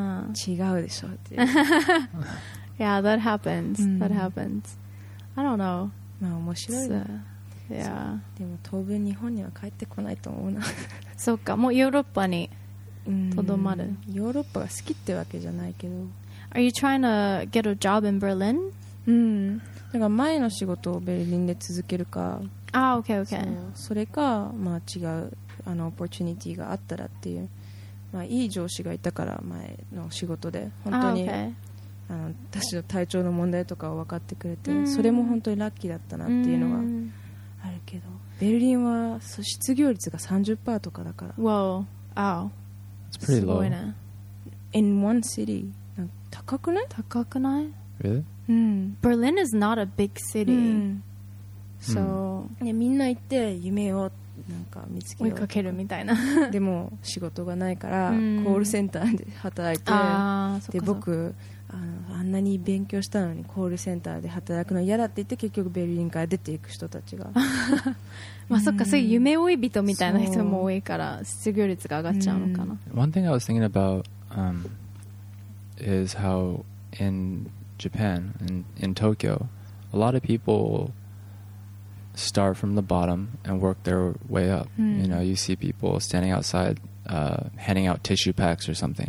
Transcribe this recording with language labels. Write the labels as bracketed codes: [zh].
[ja] 違うでしょってい [en] う。Yeah, that happens.、Mm. That happens. I don't know. [ja] まあ面白い、ね。 [en] Yeah. [ja] でも当分日本には帰ってこないと思うな。そうか、もうヨーロッパにとどまる。ヨーロッパが好きってわけじゃないけど。 [en] Are you trying to get a job in Berlin? [ja] うん。だから前の仕事をベルリンで続けるか。ああ、OK、OK。それか、まあ、違う、あの、オポチュニティがあったらっていう、まあ、いい上司がいたから、前の仕事で、本当に、あ、 okay. あの、私の体調の問題とかを分かってくれて、mm-hmm. それも本当にラッキーだったなっていうのがあるけど、mm-hmm. ベルリンは失業率が 30% とかだから。わお、あお。 [en] It's pretty low. [ja] すごいね。 [en] In one city? [ja] なんか高くない？高くない？ [en] Really? うん。Berlin is not a big city.、Mm-hmm. So, [ja] うん、みんな行って夢をなんか見つけようとか追いかけるみたいな。でも仕事がないからコールセンターで働いて、うん、で僕あんなに勉強したのにコールセンターで働くの嫌だって言って結局ベルリンから出ていく人たちが、まあ、そっか、そういう夢追い人みたいな人も多いから失業率が上がっちゃうのかな。 [en] One thing I was thinking about、is how in Japan in Tokyo a lot of peoplestart from the bottom and work their way up、 mm. you know, you see people standing outside、handing out tissue packs or something、